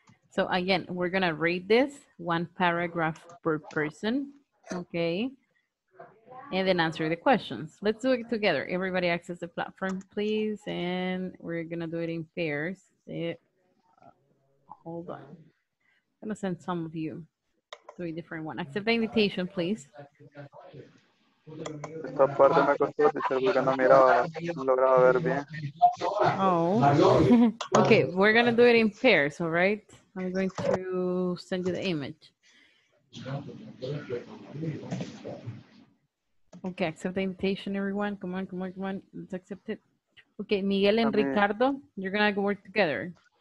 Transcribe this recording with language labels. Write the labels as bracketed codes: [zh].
[en] So again, we're gonna read this one paragraph per person, okay? And then answer the questions. Let's do it together. Everybody access the platform, please. And we're gonna do it in pairs. Hold on. I'm gonna send some of you to a different one. Accept the invitation, please. [es] Esta parte me costó, teacher, porque no miraba, no lograba ver bien. Oh. [en] Okay, we're gonna do it in pairs, all right? I'm going to send you the image. Okay, accept the invitation, everyone. Come on. Let's accept it. Okay, Miguel and Ricardo, you're gonna go work together.